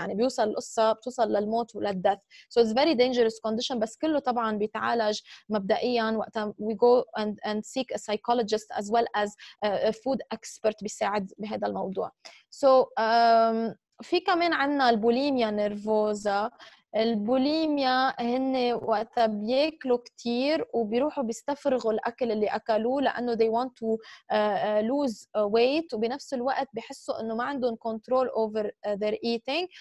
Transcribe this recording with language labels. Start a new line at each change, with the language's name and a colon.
Arabic: يعني بيوصل القصة بتوصل للموت وللدث.
English: So it's very dangerous condition,
Arabic: بس كله طبعا بيتعالج مبدئيا وقتها
English: we go and seek a psychologist as well as a food expert
Arabic: بيساعد بهذا الموضوع. So في كمان عنا البوليميا نيرفوزا. البوليميا هن وقتها بياكلوا كتير وبيروحوا بيستفرغوا الأكل اللي أكلوه لأنه
English: they want to lose weight,
Arabic: وبنفس الوقت بيحسوا أنه ما عندهم
English: control over their eating.